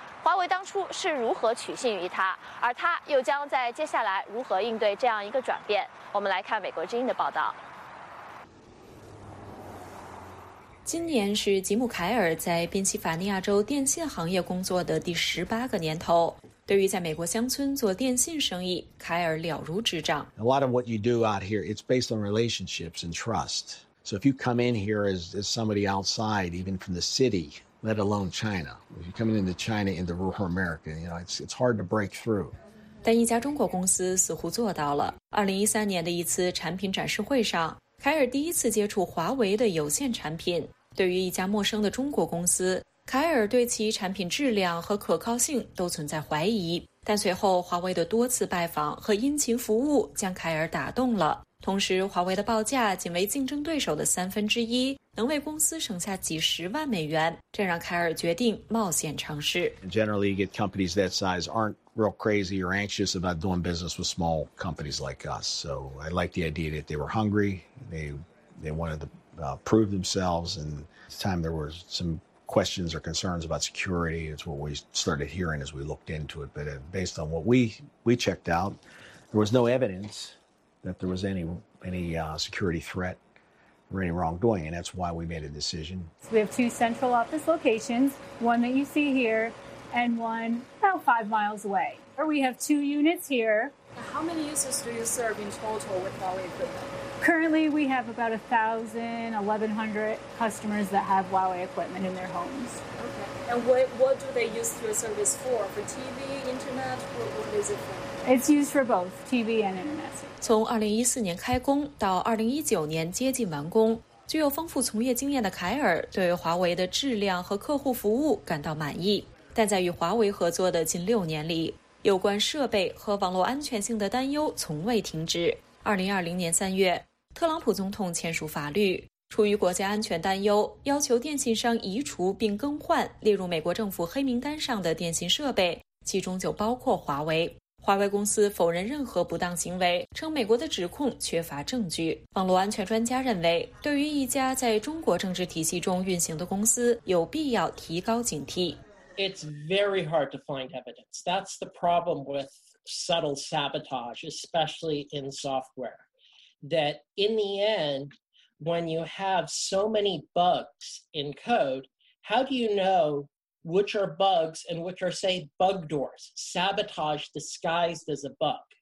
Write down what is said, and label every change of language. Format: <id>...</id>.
<zh>华为当初是如何取信于他，而他又将在接下来如何应对这样一个转变？我们来看美国之音的报道。今年是吉姆·凯尔在宾夕法尼亚州电信行业工作的第18个年头。对于在美国乡村做电信生意，凯尔了如指掌。</zh> <en>A lot of what you do out here, it's based on relationships and trust. So if you come in here as somebody outside, even from the city, let alone China, if you come into China in the rural America, you know, it's hard to break through.</en> <zh>但一家中国公司似乎做到了。2013年的一次产品展示会上，凯尔第一次接触华为的有线产品。对于一家陌生的中国公司，凯尔对其产品质量和可靠性都存在怀疑。但随后华为的多次拜访和殷勤服务将凯尔打动了。同时，华为的报价仅为竞争对手的三分之一，能为公司省下几十万美元，这让凯尔决定冒险尝试。</zh> <en>Generally, you get companies that size aren't real crazy or anxious about doing business with small companies like us. So I like the idea that they were hungry, they wanted to prove themselves, and at the time there were some questions or concerns about security. It's what we started hearing as we looked into it. But based on what we checked out, there was no evidence that there was any security threat. Or any wrongdoing, and that's why we made a decision. So we have two central office locations, one that you see here, and one about 5 miles away. Or we have two units here. How many users do you serve in total with Huawei equipment? Currently, we have about 1,100 customers that have Huawei equipment in their homes. Okay. And what do they use your service for? For TV, internet, what is it for? It's used for both TV and internet.</en> <zh>从2014年开工到2019年接近完工，具有丰富从业经验的凯尔对华为的质量和客户服务感到满意。但在与华为合作的近六年里，有关设备和网络安全性的担忧从未停止。 2020年3月，特朗普总统签署法律，出于国家安全担忧，要求电信商移除并更换列入美国政府黑名单上的电信设备，其中就包括华为。华为公司否认任何不当行为，称美国的指控缺乏证据。网络安全专家认为，对于一家在中国政治体系中运行的公司，有必要提高警惕。</zh> <en>It's very hard to find evidence. That's the problem with subtle sabotage, especially in software. That in the end, when you have so many bugs in code, how do you know? Which are bugs and which are, say, bug doors, sabotage disguised as a bug.</en>